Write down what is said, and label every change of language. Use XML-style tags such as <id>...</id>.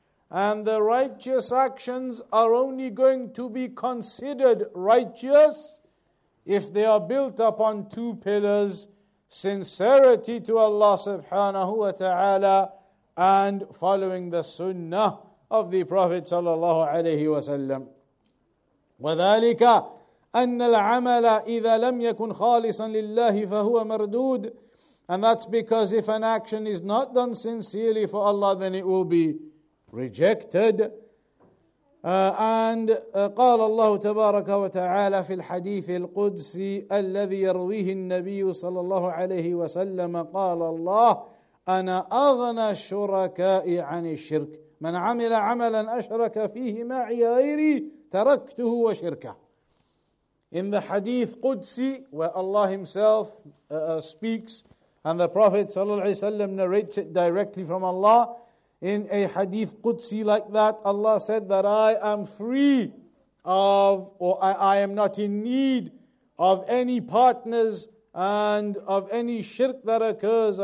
<en>And the righteous actions are only going to be considered righteous if they are built upon two pillars: sincerity to Allah subhanahu wa ta'ala and following the sunnah of the Prophet sallallahu alayhi wa sallam.</en> <ar>وَذَلِكَ أَنَّ الْعَمَلَ إِذَا لَمْ يَكُنْ خَالِصًا لِلَّهِ فَهُوَ مَرْدُودٌ.</ar> <en>And that's because if an action is not done sincerely for Allah, then it will be rejected. And</en> <ar>قال الله تبارك وتعالى في الحديث القدسي الذي يرويه النبي صلى الله عليه وسلم قال الله أنا أغنى الشركاء عن الشرك من عمل عملا أشرك فيه معي غيري تركته وشركه.</ar> <en>In the hadith قدسي, where Allah himself speaks and the Prophet sallallahu alaihi wasallam narrates it directly from Allah, in a hadith qudsi like that, Allah said that I am free of, or I am not in need of any partners and of any shirk that occurs.</en>